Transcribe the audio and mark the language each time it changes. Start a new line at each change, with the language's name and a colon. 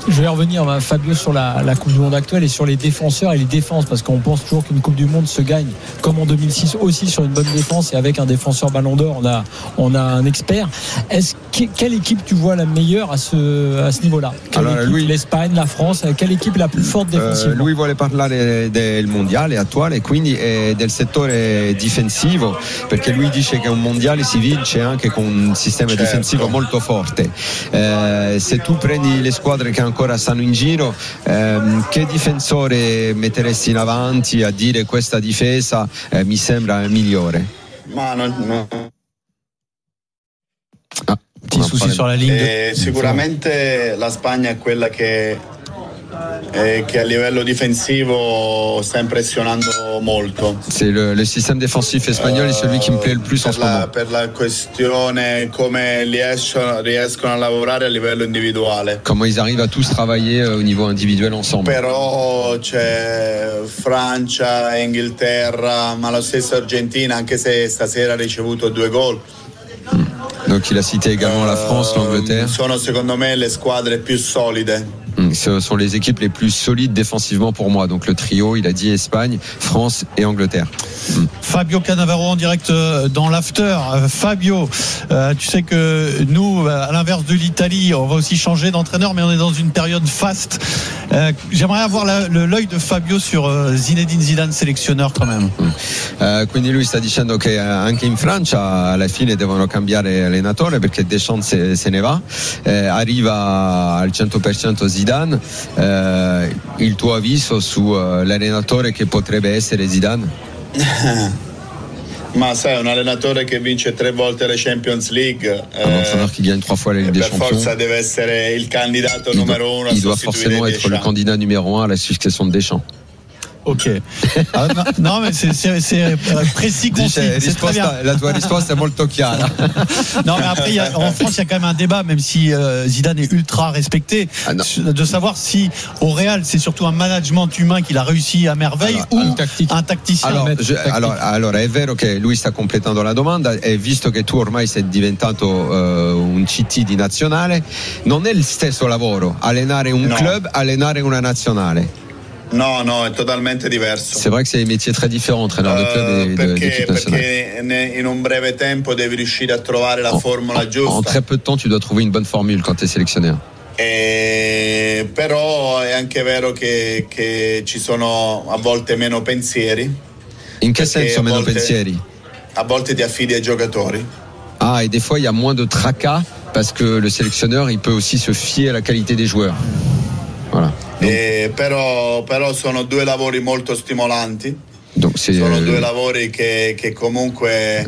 French: Je vais revenir, Fabio, sur la Coupe du Monde actuelle et sur les défenseurs et les défenses, parce qu'on pense toujours qu'une Coupe du Monde se gagne comme en 2006 aussi sur une bonne défense et avec un défenseur Ballon d'Or, on a un expert. Quelle équipe tu vois la meilleure à ce niveau-là? L'Espagne, la France, quelle équipe la plus forte défensivement? Lui voulait parler
Italian: del mondiale attuale, quindi del settore difensivo, perché lui dice che un mondiale si vince anche con un sistema certo. difensivo molto forte. Se tu prendi le squadre che ancora stanno in giro, che difensore metteresti in avanti a dire questa difesa mi sembra migliore? Ma non.
French: Petit souci sur la ligne.
Italian: Sicuramente la Spagna è quella che a livello difensivo sta impressionando molto.
French: C'est le système défensif espagnol est celui qui me plaît le plus en ce moment.
Italian: Per la questione come riescono a lavorare a livello individuale.
French: Comment ils arrivent à tous travailler au niveau individuel ensemble.
Italian: Però c'è Francia, Inghilterra, ma la stessa Argentina, anche se stasera ha ricevuto due gol.
French: Donc il a cité également la France, l'Angleterre.
Italian: Sono secondo me le squadre più solide.
French: Ce sont les équipes les plus solides défensivement pour moi. Donc le trio, il a dit Espagne, France et Angleterre. Fabio Cannavaro en direct dans l'after. Fabio, tu sais que nous, à l'inverse de l'Italie, on va aussi changer d'entraîneur, mais on est dans une période faste. J'aimerais avoir l'œil de Fabio sur Zinedine Zidane, sélectionneur quand même.
Italian: Quindi lui sta dicendo che anche in Francia alla fine devono cambiare allenatore perché Deschamps se ne va. Arriva al 100% Zidane. Il tuo avviso su l'allenatore che potrebbe essere Zidane? Ma sai, un allenatore che vince tre volte la Champions League.
French: Un entraîneur qui gagne trois fois la Ligue des Champions.
Italian: Per forza deve essere il candidato numero uno.
French: Il doit forcément être le candidat numéro un à la succession de Deschamps. Ok. Non, mais c'est précis, concis.
Italian: La tua risposta è molto chiara.
French: Non, mais après, en France, il y a quand même un débat, même si Zidane est ultra respecté, de savoir si au Real, c'est surtout un management humain qu'il a réussi à merveille un tacticien.
Italian: Alors, è vero che lui sta completando la domanda, e visto che tu ormai sei diventato un CT di nazionale, non è il stesso lavoro allenare un club, allenare una nazionale. No, è totalmente diverso.
French: C'est vrai que c'est un métier très différent, entraîneur de club et d'équipe nationale.
Italian: Perché in un breve tempo devi riuscire a trovare la formula giusta.
French: En très peu de temps, tu dois trouver une bonne formule quand tu es sélectionneur.
Italian: Però è anche vero che ci sono a volte meno pensieri. In che senso meno pensieri? A volte ti affidi ai giocatori.
French: Ah, et des fois il y a moins de tracas parce que le sélectionneur, il peut aussi se fier à la qualité des joueurs. Voilà.
Italian: Però sono due lavori molto stimolanti.
French: Donc c'est
Italian: sono due lavori che comunque